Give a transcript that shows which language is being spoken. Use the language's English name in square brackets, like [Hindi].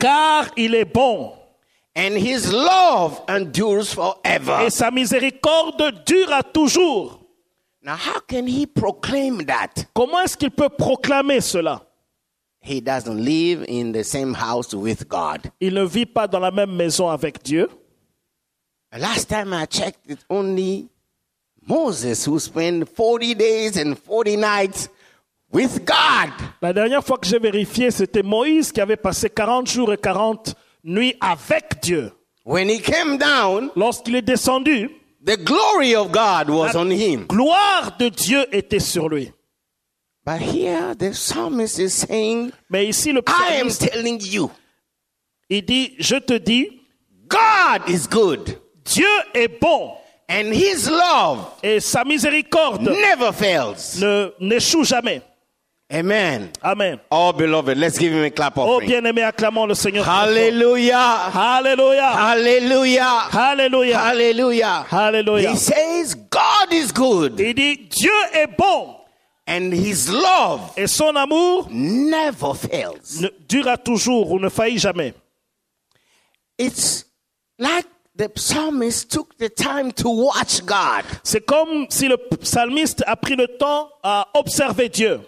[French] Car il est bon. [English] And his love endures forever. [French] Et sa miséricorde dure à toujours. [English] Now how can he proclaim that? [French] Comment est-ce qu'il peut proclamer cela? [English] He doesn't live in the same house with God. [French] Il ne vit pas dans la même maison avec Dieu. [English] Last time I checked, it only Moses who spent 40 days and 40 nights with God. [French] La dernière fois que j'ai vérifié, c'était Moïse qui avait passé 40 jours et 40 nuits avec Dieu. [English] When he came down, [French] lorsqu'il est descendu, [English] the glory of God was on him. [French] La gloire de Dieu était sur lui. [English] But here the psalmist is saying, [French] mais ici le psalmiste, [English] I am telling you. [French] Il dit, je te dis, [English] God is good. [French] Dieu est bon. [English] And his love, [French] et sa miséricorde, [English] never fails, [French] n'échoue jamais. [English] Amen. [French] Amen. [English] Oh beloved, let's give him a clap offering. [French] Oh bien-aimé, acclamons le Seigneur. [English] Hallelujah. [French] Hallelujah. [English] Hallelujah. [French] Hallelujah. [English] Hallelujah. [French] Hallelujah. [English] He says God is good. [French] Il dit Dieu est bon. [English] And his love, [French] et son amour, [English] never fails, [French] ne dure toujours ou ne faillit jamais. [English] It's like the psalmist took the time to watch God. [French] C'est comme si le psalmiste a pris le temps à observer Dieu.